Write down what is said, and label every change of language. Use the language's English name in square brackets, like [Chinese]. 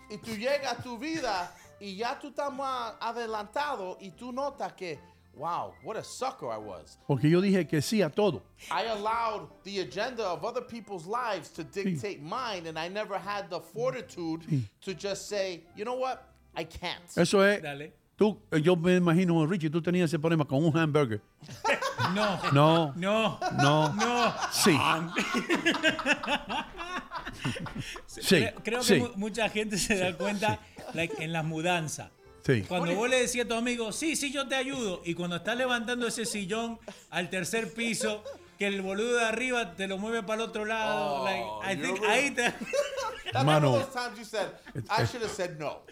[Spanish] Y tú llegas a tu vida y ya tú estás más adelantado y tú notas que, wow, [English] what a sucker I was. [Spanish] Porque yo dije que sí a todo. [English] I allowed the agenda of other people's lives to dictate mine and I never had the fortitude to just say, you know what, I can't. [Spanish] Eso es. Dale. Tú, yo me imagino, Richie, tú tenías ese problema con un hamburger. No. No. No. No. No. Sí. Sí. Creo que sí. Mucha gente se da cuenta like, en las mudanzas. Sí. Cuando vos le decís a tu amigo, sí, sí, yo te ayudo. Y cuando estás levantando ese sillón al tercer piso, que el boludo de arriba te lo mueve para el otro lado. [English] Oh, like, I think right. [Spanish] Ahí te... [English] That's Mano, one of those times you said, I should have said no.